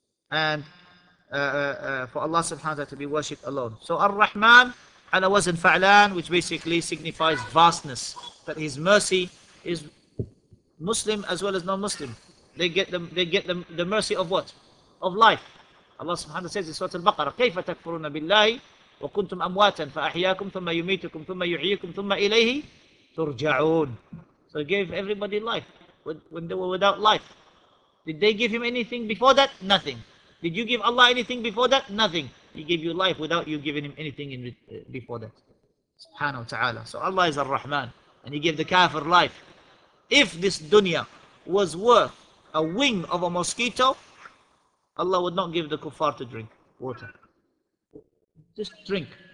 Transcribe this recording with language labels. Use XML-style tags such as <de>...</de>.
<en>And for Allah subhanahu wa ta'ala to be worshipped alone. So Ar-Rahman ala wazn fa'lan, which basically signifies vastness. That His mercy is Muslim as well as non-Muslim. They get the mercy of what? Of life. Allah subhanahu wa ta'ala says in Surah Al-Baqarah,</en> <ar>كَيْفَ تَكْفُرُونَ بِاللَّهِ وَكُنْتُمْ أَمْوَاتًا فَأَحْيَاكُمْ ثُمَّ يُمِيتُكُمْ ثُمَّ يُحْيِيكُمْ ثُمَّ إِلَيْهِ تُرْجَعُونَ.</ar> <en>So He gave everybody life. When they were without life. Did they give Him anything before that? Nothing. Did you give Allah anything before that? Nothing. He gave you life without you giving Him anything before that. Subhanahu wa ta'ala. So Allah is Ar-Rahman. And He gave the kafir life. If this dunya was worth a wing of a mosquito, Allah would not give the kuffar to drink water. Just drink.</en>